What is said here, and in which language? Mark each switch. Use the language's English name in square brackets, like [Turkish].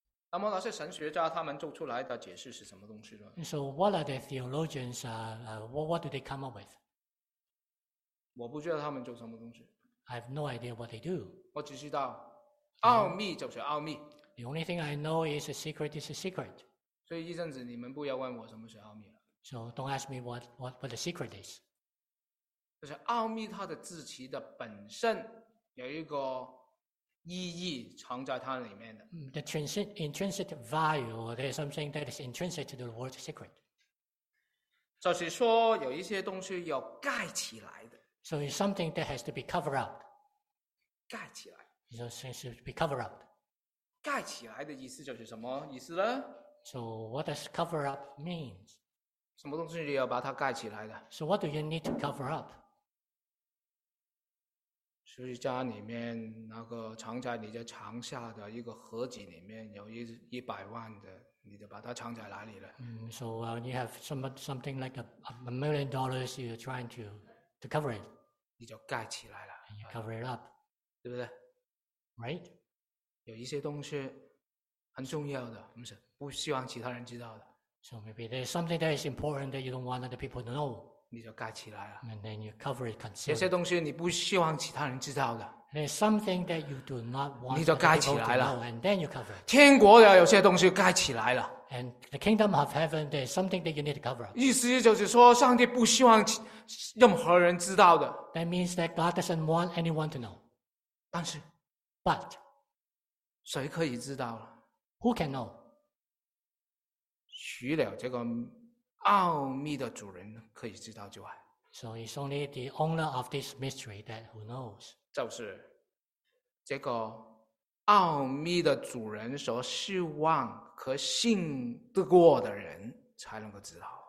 [Chinese] 那么那些神学家他们做出来的解释是什么东西呢 [English] ？So what are the theologians? What do they come up with? [Chinese] 我不知道他们做什么东西。 [English] I have no idea what they do. [Chinese] 我只知道奥秘就是奥秘。 [English] The only thing I know is a secret is a secret. [Chinese] 所以一阵子你们不要问我什么是奥秘了。 [English] So don't ask me what the secret is. [Chinese] 就是奥秘它的字词的本身有一个。意义藏在它里面的。 [English] The intrinsic value, there is something that is intrinsic to the word secret. [Chinese] 就是说有一些东西要盖起来的。 [English] So it's something that has to be covered up. [Chinese] 盖起来。 [English] So it has to be covered up. [Chinese] 盖起来的意思就是什么意思呢 [English] ？So what does cover up mean? [Chinese] 什么东西你要把它盖起来的 [English] ？So what do you need to cover up? [Chinese] 就是家里面那个藏在你的床下的一个盒子里面有100万的，你就把它藏在哪里了？ [English] So you have something like $1,000,000, you're trying to cover it. [Chinese] 你就盖起来了。 [English] And you cover it up, [Chinese] 对不对 [English] ？Right. [Chinese] 有一些东西很重要的，不是不希望其他人知道的。 [English] So maybe there's something that is important that you don't want other people to know. [Chinese] 你就盖起来了。 [English] And then you cover it concealed. [Chinese] 有些东西你不希望其他人知道的。 [English] There's something that you do not want to know, and then you cover it. [Chinese] 天国的有些东西盖起来了。 [English] And the kingdom of heaven, there's something that you need to cover. [Chinese] 意思就是说，上帝不希望任何人知道的。 [English] That means that God doesn't want anyone to know. [Chinese] 但是 [English] ，But [Chinese] 谁可以知道了 [English] ？Who can know? [Chinese] 除了这个奥秘的主人可以知道之外 [English] ，So it's only the owner of this mystery that who knows. [Chinese] 就是这个奥秘的主人所希望和信得过的人才能够知道。